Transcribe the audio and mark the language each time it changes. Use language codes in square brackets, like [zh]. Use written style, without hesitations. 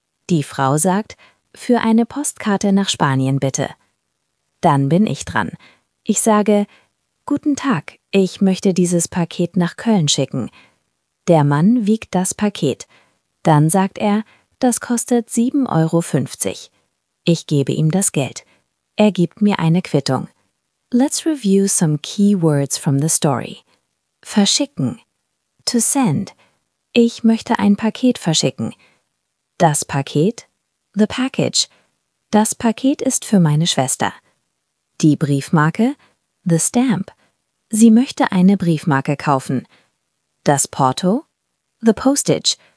[de] Die Frau sagt, für eine Postkarte nach Spanien bitte. Dann bin ich dran. Ich sage, guten Tag, ich möchte dieses Paket nach Köln schicken. Der Mann wiegt das Paket. Dann sagt er, das kostet 7,50 Euro. Ich gebe ihm das Geld. Er gibt mir eine Quittung. [en] Let's review some key words from the story. Verschicken. To send. [de] Ich möchte ein Paket verschicken. Das Paket. [en] The package. [de] Das Paket ist für meine Schwester. Die Briefmarke. [en] The stamp. [de] Sie möchte eine Briefmarke kaufen. Das Porto. [en] The postage.